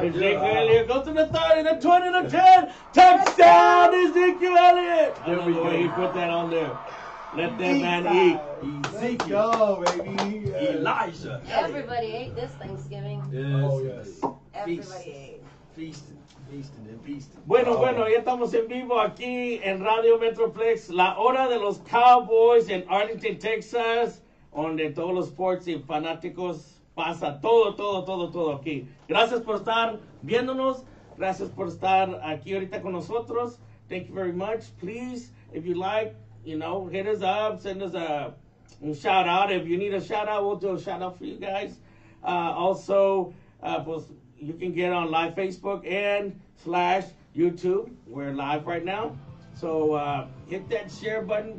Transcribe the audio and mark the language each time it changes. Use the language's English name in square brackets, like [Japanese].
[English] Ezekiel Elliott goes to the 30, the 20, the 10. Touchdown, Ezekiel Elliott. There we go. You put that on there. Let that man eat. Ezekiel. Let's go, baby. Elijah. Everybody ate this Thanksgiving. Yes. Oh, yes. [Spanish] Bueno, ya estamos en vivo aquí en Radio Metroplex, la hora de los Cowboys en Arlington, Texas, donde todos los sports y fanáticos pasa todo aquí. Gracias por estar viéndonos, gracias por estar aquí ahorita con nosotros. [English] Thank you very much. Please, if you like, you know, hit us up, send us a shout out. If you need a shout out, we'll do a shout out for you guys. Also, you can get on live Facebook and / YouTube. We're live right now. So hit that share button.